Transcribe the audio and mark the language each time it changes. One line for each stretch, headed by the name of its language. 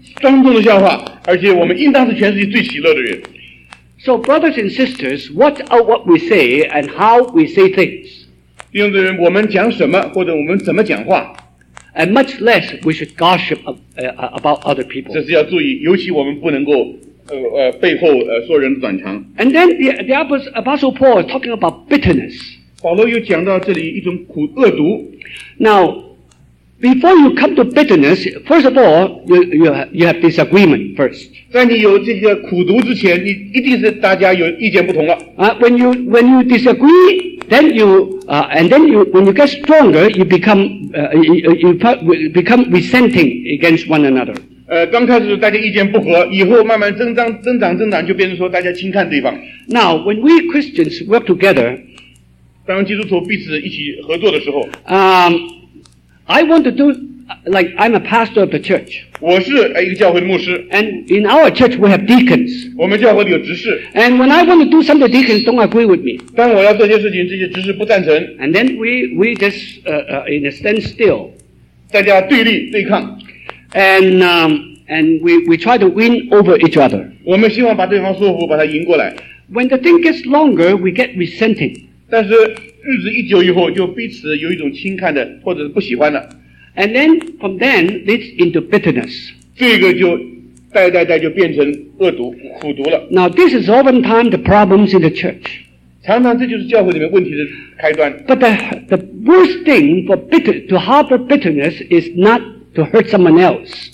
Chinese: 庄重的笑话，而且我们应当是全世界最喜乐的人。
English: So, brothers and sisters, watch out what we say and how we say things.
Chinese: 弟兄姊妹，我们讲什么，或者我们怎么讲话
English: ？And much less we should gossip about other people.
Chinese: 这是要注意，尤其我们不能够背后说人短肠。
English: And then the Apostle Paul is talking about bitterness.
Chinese: 保罗又讲到这里一种苦恶毒。
English: Now. Before you come to bitterness, first of all, you have disagreement first.
Chinese: 在你有这些苦读之前，你一定是大家有意见不同了。
English: When you disagree, then when you get stronger, you become resenting against one another.
Chinese: 刚开始大家意见不合，以后慢慢增长，就变成说大家轻看对方。
English: Now, when we Christians work together,
Chinese: 当基督徒彼此一起合作的时候，
English: I want to do, like I'm a pastor of the church.
Chinese: 我是一个教会的牧师。
English: And in our church we have deacons.
Chinese: 我们教会里有执事。
English: And when I want to do something, deacons don't agree with me.
Chinese: 当我要做些事情, 这些执事不赞成。
English: And then we just in a standstill.
Chinese: 大家对立对抗。
English: And we try to win over each other.
Chinese: 我们希望把对方说服, 把他赢过来。
English: When the thing gets longer, we get resenting.
Chinese: 但是日子一久以后, 就彼此有一种轻看的, 或者是不喜欢的。
English: And then from then leads into bitterness.
Chinese: 这个就代代代就变成恶毒苦毒了。
English: Now this is oftentimes the problems in the church.
Chinese: 常常这就是教会里面问题的开端。
English: But the worst thing for bitter to harbor bitterness is not to hurt someone else.